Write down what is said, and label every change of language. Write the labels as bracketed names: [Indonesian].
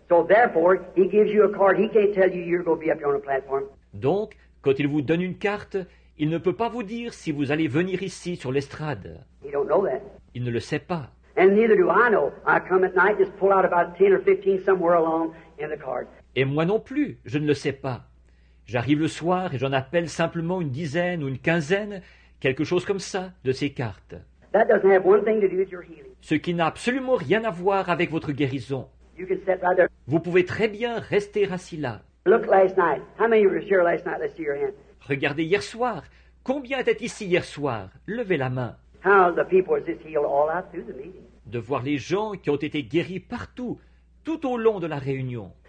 [English] So therefore, he gives you a card. He can't tell you you're going to be up here on a platform. [French] Donc, quand il vous donne une carte, il ne peut pas vous dire si vous allez venir ici sur l'estrade. [English] He don't know that. [French] Il ne le sait pas. [English] And neither do I know. I come at night, just pull out about 10 or 15 somewhere along in the card. [French] Et moi non plus, je ne le sais pas. J'arrive le soir et j'en appelle simplement une dizaine ou une quinzaine, quelque chose comme ça, de ces cartes. [English] That doesn't have one thing to do with your healing. [French] Ce qui n'a absolument rien à voir avec votre guérison. [English] You can sit right there. [French] Vous pouvez très bien rester assis là. [English] Look last night. How many were here last night? Let's see your hand. [French] Regardez hier soir. Combien étaient ici hier soir? Levez la main. [English] How the people were just healed all out through the meeting. [French] De voir les gens qui ont été guéris partout, tout au long de la réunion.